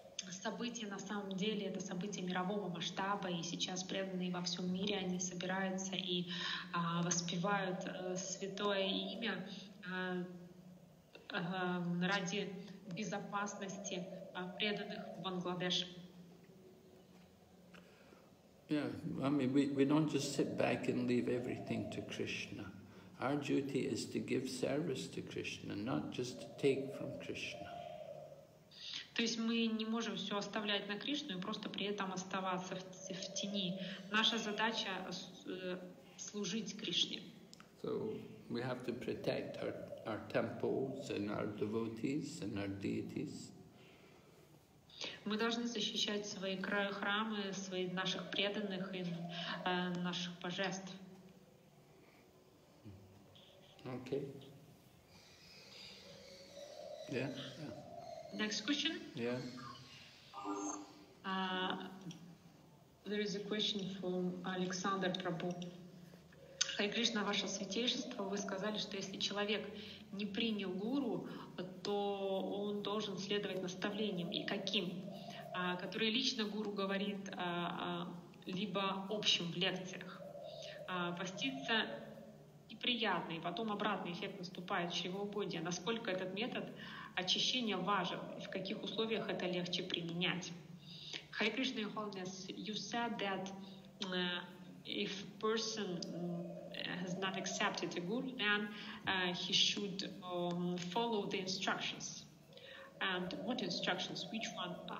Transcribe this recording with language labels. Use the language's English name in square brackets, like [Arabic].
[Russian] Событие на самом деле это событие мирового масштаба, и сейчас преданные во всем мире они собираются и воспевают святое имя ради безопасности преданных в Бангладеш. [English] Yeah, I mean we don't just sit back and leave everything to Krishna. Our duty is to give service to Krishna, not just to take from Krishna. [Russian] То есть мы не можем все оставлять на Кришну и просто при этом оставаться в тени. Наша задача служить Кришне. [English] So we have to protect our temples and our devotees and our deities. [Russian] Мы должны защищать свои края храмы, свои наших преданных и наших божеств. [English] Okay. Yeah. Next question. Yeah. There is a question from Alexander Prabhu. [Russian] Хари Кришна, ваше святейшество, вы сказали, что если человек не принял гуру, то он должен следовать наставлениям. И каким? Которые лично гуру говорит, либо общим в лекциях. Поститься неприятно, и потом обратный эффект наступает в чревоугодие. Насколько этот метод очищения важен, и в каких условиях это легче применять? [English] Хари Кришна, Your Holiness, you said that if person has not accepted a guru, then he should follow the instructions. And what instructions? Which one?